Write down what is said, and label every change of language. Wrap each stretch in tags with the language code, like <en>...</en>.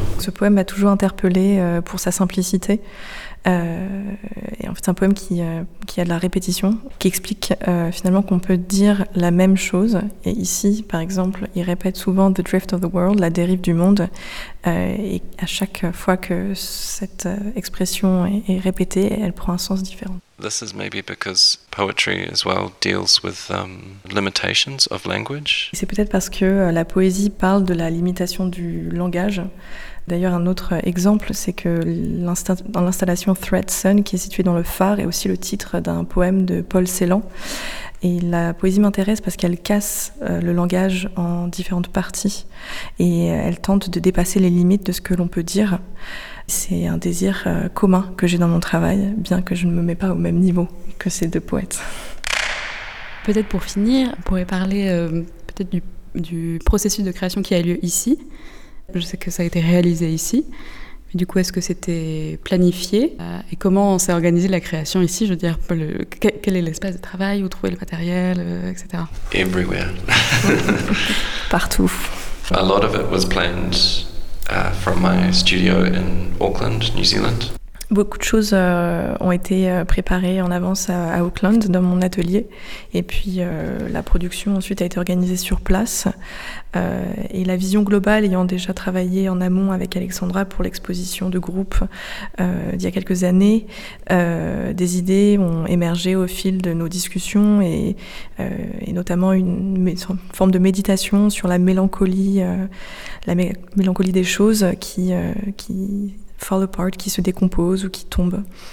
<fr>Ce poème m'a toujours interpellé pour sa simplicité. Et en fait, c'est un poème qui a de la répétition, qui explique finalement qu'on peut dire la même chose. Et ici, par exemple, il répète souvent The Drift of the World, la dérive du monde. Et à chaque fois que cette expression est répétée, elle prend un sens différent.</fr> <en>This is maybe because poetry as well deals with limitations of language.</en> <fr>C'est peut-être parce que la poésie parle de la limitation du langage. D'ailleurs, un autre exemple, c'est que dans l'installation Threat Sun, qui est située dans le phare, est aussi le titre d'un poème de Paul Celan. Et la poésie m'intéresse parce qu'elle casse le langage en différentes parties et elle tente de dépasser les limites de ce que l'on peut dire. C'est un désir commun que j'ai dans mon travail, bien que je ne me mets pas au même niveau que ces deux poètes. Peut-être pour finir, on pourrait parler peut-être du processus de création qui a lieu ici. Je sais que ça a été réalisé ici, mais du coup, est-ce que c'était planifié et comment s'est organisée la création ici? Je veux dire, quel est l'espace de travail, où trouver le matériel, etc.</fr> <en>Everywhere.</en> <fr>Partout.</fr> <en>A lot of it was planned from my studio in Auckland, New Zealand.</en> <fr>Beaucoup de choses ont été préparées en avance à Auckland, dans mon atelier. Et puis la production ensuite a été organisée sur place. Et la vision globale, ayant déjà travaillé en amont avec Alexandra pour l'exposition de groupe d'il y a quelques années, des idées ont émergé au fil de nos discussions et notamment une forme de méditation sur la mélancolie des choses qui</fr> <en>fall apart,</en> <fr>qui se décompose ou qui tombe.</fr>